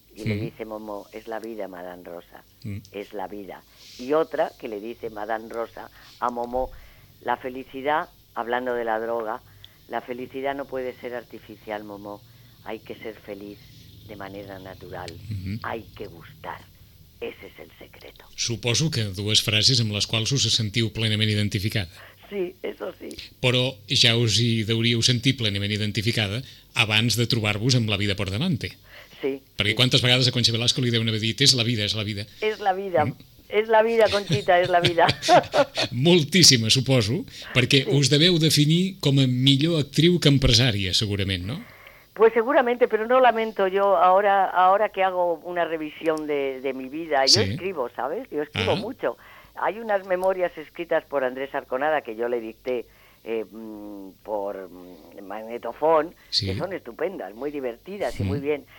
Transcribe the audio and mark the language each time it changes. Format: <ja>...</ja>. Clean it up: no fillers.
<es>Y le dice Momó, es la vida, Madame Rosa, es la vida. Y otra que le dice Madame Rosa a Momó, la felicidad, hablando de la droga, la felicidad no puede ser artificial, Momó, hay que ser feliz de manera natural, hay que gustar, ese es el secreto.</es> <ca>Suposo que dues frases amb les quals us sentiu plenament identificada.</ca> <es>Sí, eso sí.</es> <ca>Però ja us hi deuríeu sentir plenament identificada abans de trobar-vos amb La vida por delante.</ca> <es>Sí,</es> <ca>perquè quantes vegades a Concha Velasco li deuen haver dit és la vida. És la vida, és la vida, Conchita, és la vida. Moltíssima, suposo, perquè us deveu definir com a millor actriu que empresària, segurament, no?</ca> <es>Pues seguramente, pero no lamento yo ahora que hago una revisión de mi vida. Yo escribo, ¿sabes? Yo escribo mucho. Hay unas memorias escritas por Andrés Arconada que yo le dicté por magnetofón, que son estupendas, muy divertidas y muy bien.</es>